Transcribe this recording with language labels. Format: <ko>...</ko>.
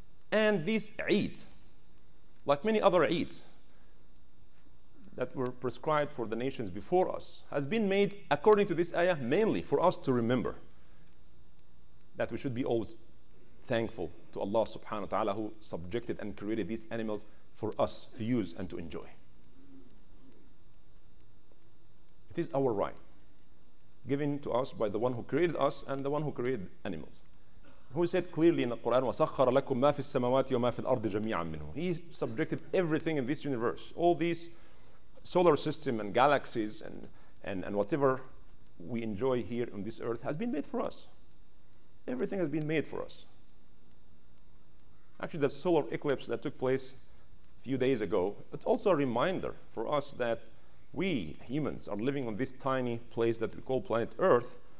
<en>And this Eid, like many other Eids that were prescribed for the nations before us, has been made, according to this ayah, mainly for us to remember that we should be always thankful to Allah subhanahu wa ta'ala who subjected and created these animals for us to use and to enjoy. It is our right, given to us by the one who created us and the one who created animals. Who said clearly in the Quran,</en> <ar>وَسَخَّرَ لَكُمْ مَا فِي السَّمَوَاتِ وَمَا فِي الْأَرْضِ جَمِيعًا مِنْهُ.</ar> <en>He subjected everything in this universe, all these solar system and galaxies and whatever we enjoy here on this earth has been made for us. Everything has been made for us. Actually, the solar eclipse that took place a few days ago, it's also a reminder for us that we humans are living on this tiny place that we call planet Earth.</en>